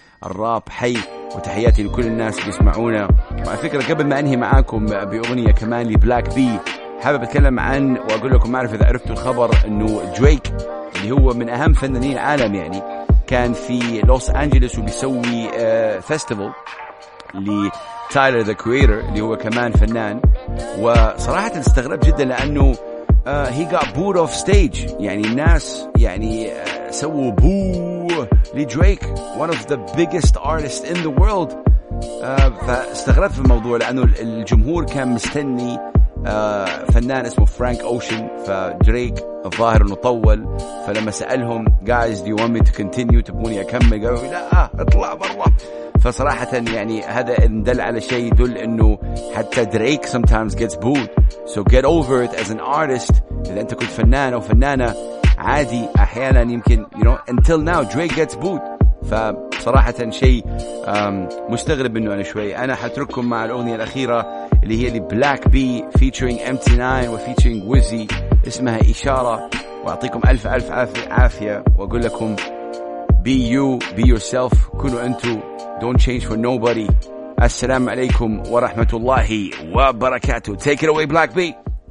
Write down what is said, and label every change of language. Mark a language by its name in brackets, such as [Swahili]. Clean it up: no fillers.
[Arabic] الراب حي, وتحياتي لكل الناس بيسمعونا. مع فكرة قبل ما أنهي معاكم بأغنية كمان لبلاك بي, حابب أتكلم عن وأقول لكم, ما أعرف إذا عرفتوا الخبر أنه دريك اللي هو من أهم فنانين العالم يعني كان في لوس أنجلوس وبيسوي فيستيفال لتايلر ذا كريتر اللي هو كمان فنان, وصراحة استغرب جدا لأنه [English] he got booed off stage. [Arabic] يعني الناس يعني سووا بو لدريك, [English] one of the biggest artists in the world. [Arabic] فاستغربت في الموضوع لأنه الجمهور كان مستني فنان اسمه فرانك أوشن, فدريك الظاهر أنه طول, فلما سألهم [English] guys do you want me to continue, [Arabic] تبوني أكمل, قالوا لا اطلع برا. فصراحة يعني هذا إن دل على شيء يدل أنه حتى دريك [English] sometimes gets booed. So get over it as an artist. [Arabic] إذا أنت كنت فنان أو فنانة عادي أحيانا يمكن [English] until now Drake gets booed. [Arabic] فصراحة شيء مستغرب أنه أنا شوي. أنا حترككم مع الأغنية الأخيرة اللي هي Black B featuring MT9 وفيتشرينج ويزي, اسمها إشارة, وأعطيكم ألف ألف عافية وأقول لكم [English] be you, be yourself, [Arabic] كونوا أنتوا, [English] don't change for nobody. [Arabic] السلام عليكم ورحمة الله وبركاته. [English] Take it away, Black B.